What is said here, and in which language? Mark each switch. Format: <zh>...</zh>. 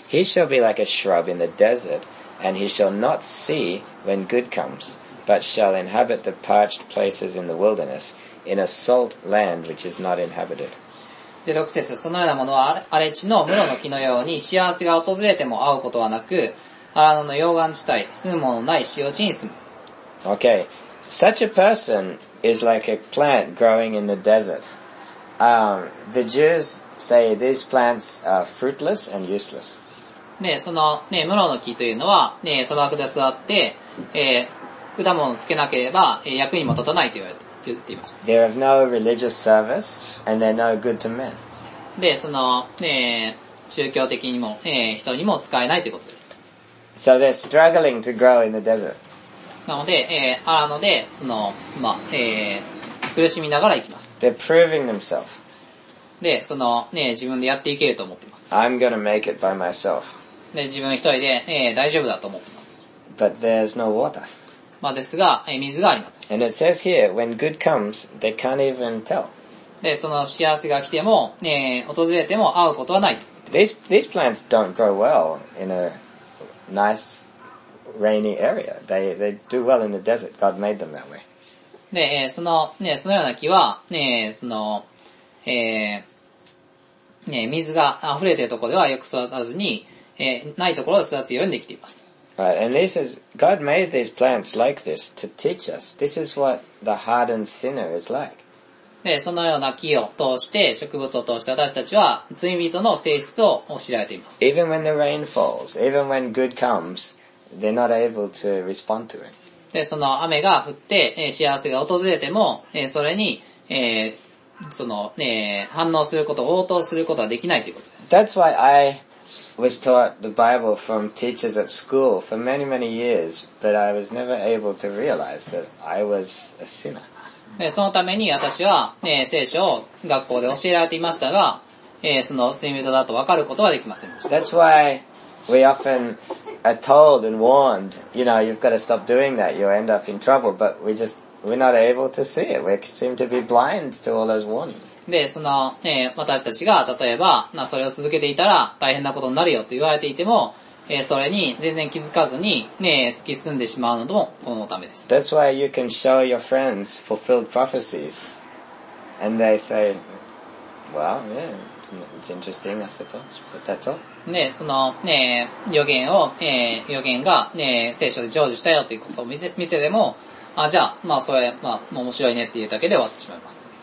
<en>He shall be like a shrub in the desert, and he shall not see when good comes, but shall inhabit the parched places in the wilderness, in a salt land which is not inhabited.</en> <ja>で、6節、そのようなものは荒れ地の室の木のように、幸せが訪れても会うことはなく、荒野の溶岩地帯、住むものない塩地に住む。</ja> <en>Okay. Such a person is like a plant growing in the desert. The Jews say these plants are fruitless and useless.</en> <ja>で、その、室の木というのは、砂漠で育って、果物をつけなければ、役にも立たないと言っていました。</ja> <en>They have no religious service and they're no good to men.</en> <ja>で、その、宗教的にも、人にも使えないということです。</ja> <en>So they're struggling to grow in the desert.</en> <ja>なので、荒野で、その、まあ、苦しみながら行きます。</ja> <en>They're proving themselves.</en> <ja>で、その、自分でやっていけると思っています。</ja> <en>I'm gonna make it by myself.</en> <ja>で、自分一人で、大丈夫だと思っています。</ja> <en>But there's no water.</en> <ja>まあですが、水がありません。</ja> <en>And it says here, when good comes, they can't even tell.</en> <ja>で、その幸せが来ても、訪れても会うことはない。</ja> <en>These plants don't grow well in a nice rainy area. They do well in the desert. God made them that way.</en> <ja>で、その、そのような木は、その、水が溢れているところではよく育たずに、ないところで育つようにできています。</ja> <en>Right, and this is, God made these plants like this to teach us. This is what the hardened sinner is like.</en> <ja>で、そのような木を通して、植物を通して私たちは罪人の性質を知られています。</ja> <en>Even when the rain falls, even when good comes, they're not able to respond to it.</en> <ja>で、その雨が降って、幸せが訪れても、それに、その、反応すること、応答することはできないということです。</ja> <en>That's why I was taught the Bible from teachers at school for many, many years, but I was never able to realize that I was a sinner.</en> <ja>で、そのために私は、聖書を学校で教えられていましたが、その罪人だと分かることはできませんでした。</ja> <en>That's why we often are told and warned, you know, you've got to stop doing that, you'll end up in trouble, but we justWe're not able to see it. We seem to be blind to all those warnings.</en> <ja>で、その、私たちが例えば、それを続けていたら大変なことになるよと言われていても、それに全然気づかずに、突き進んでしまうのもこのためです。</ja> <en>That's why you can show your friends fulfilled prophecies, and they say, "Well, yeah, it's interesting, I suppose, but that's all."</en> <ja>で、その、予言を、予言が、聖書で成就したよということを見せても。あ、じゃあ、まあ、それ、まあ、面白いねっていうだけで終わってしまいます。</ja>